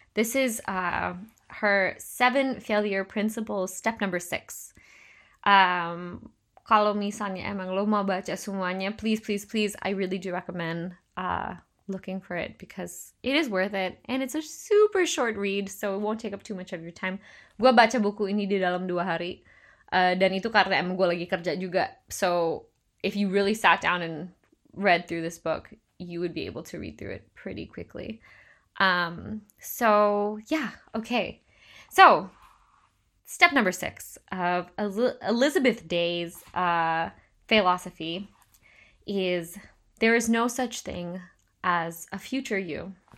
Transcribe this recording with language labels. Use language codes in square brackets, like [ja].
[en] This is her 7 failure principles, step number 6. [id] Kalau misalnya emang lo mau baca semuanya, [en] please, please, please, I really do recommend looking for it, because it is worth it, and it's a super short read, so it won't take up too much of your time. [id] Gua baca buku ini di dalam 2 hari, dan itu karena emang gua lagi kerja juga. [en] So if you really sat down and read through this book, you would be able to read through it pretty quickly. So yeah, okay. So step number 6 of Elizabeth Day's philosophy is, there is no such thing as a future you.